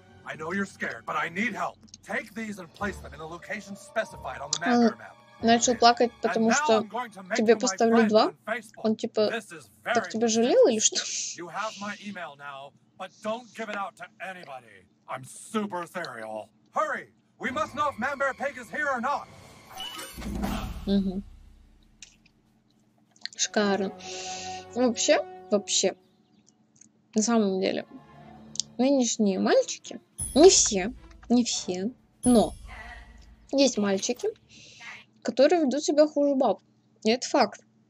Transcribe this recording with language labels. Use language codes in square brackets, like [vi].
[en] I know you're scared, but I need help. Take these and place them in the location specified on the map. [ru] Начал плакать, потому что тебе поставлю два. Он типа так тебя жалел или что? [en] You have my email now, but don't give it out to anybody. I'm super serial. Hurry! We must know if Mamber Pig is here or not. [ru] Шикарно. Вообще, на самом деле, нынешние мальчики. Не все, но есть мальчики, которые ведут себя хуже баб. И это факт.